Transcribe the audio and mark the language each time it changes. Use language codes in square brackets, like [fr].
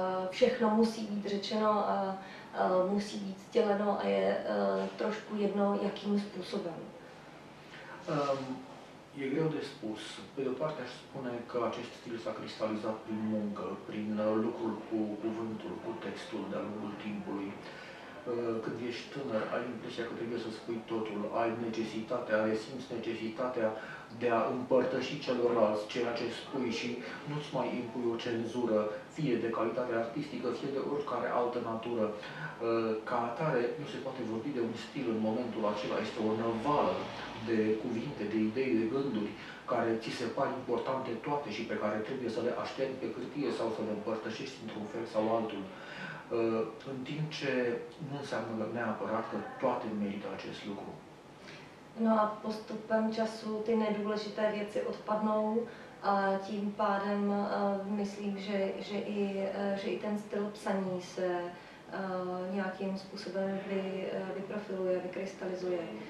[cs] Všechno musí být řečeno a musí být sděleno a je trošku jedno, jakým způsobem. [ro] E greu de spus. Pe de-o parte aș spune că acest stil s-a cristalizat prin muncă, prin lucrul cu cuvântul, cu textul de-a lungul timpului. Când ești tânăr, ai impresia că trebuie să spui totul, ai necesitatea, resimți necesitatea de a împărtăși celorlalți ceea ce spui și nu-ți mai impui o cenzură, fie de calitate artistică, fie de oricare altă natură. Ca atare, nu se poate vorbi de un stil în momentul acela, este o năvală de cuvinte, de idei, de gânduri, care ți se par importante toate și pe care trebuie să le aștepți pe hârtie sau să le împărtășești într-un fel sau altul. În timp ce nu înseamnă neapărat că toate merită acest lucru. [cs] No a postupem času ty nedůležité věci odpadnou a tím pádem myslím, že i ten styl psaní se nějakým způsobem vyprofiluje, vykrystalizuje.